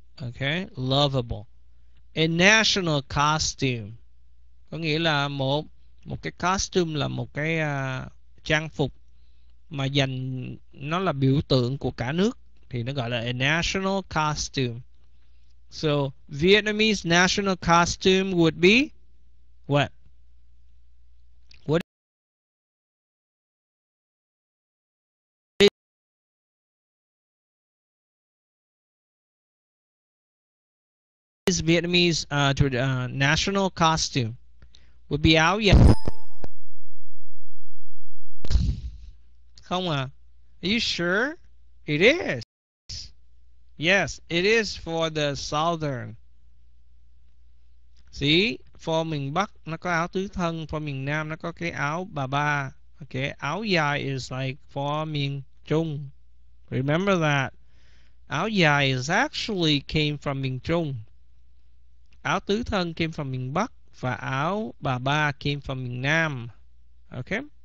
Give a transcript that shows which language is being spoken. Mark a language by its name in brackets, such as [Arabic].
[Vietnamese] Okay, lovable. A national costume có nghĩa là một một cái costume là một cái trang phục mà dành nó là biểu tượng của cả nước thì nó gọi là a national costume. [English] So Vietnamese national costume would be what? Vietnamese national costume would be áo dài. [Vietnamese] Không à? [English] Are you sure? It is. Yes, it is for the southern. [Vietnamese] See, for miền Bắc nó có áo tứ thân, for miền Nam nó có cái áo bà ba. [English] Okay, áo dài is like for miền Trung. Remember that. Áo dài is actually came from miền Trung. Áo tứ thân came from miền Bắc [Vietnamese] và [English] áo bà ba came from miền Nam. Okay.